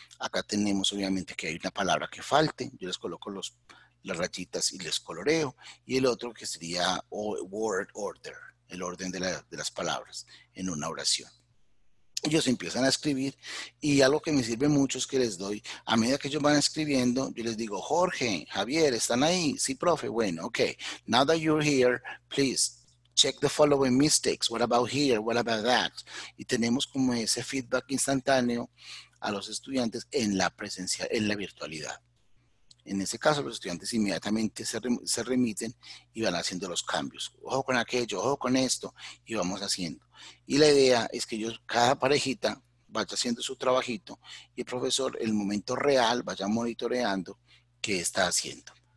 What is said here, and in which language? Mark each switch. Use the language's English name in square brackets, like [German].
[Spanish] Acá tenemos obviamente que hay una palabra que falte, yo les coloco las rayitas y les coloreo, y el otro que sería word order, el orden de las palabras en una oración. Ellos empiezan a escribir y algo que me sirve mucho es que les doy, a medida que ellos van escribiendo, yo les digo, Jorge, Javier, ¿están ahí? Sí, profe, bueno, ok. [English] Now that you're here, please check the following mistakes. What about here? What about that? [Spanish] Y tenemos como ese feedback instantáneo a los estudiantes en la presencia, en la virtualidad. En ese caso, los estudiantes inmediatamente se remiten y van haciendo los cambios. Ojo con aquello, ojo con esto, y vamos haciendo. Y la idea es que ellos, cada parejita, vaya haciendo su trabajito y el profesor, en el momento real, vaya monitoreando qué está haciendo.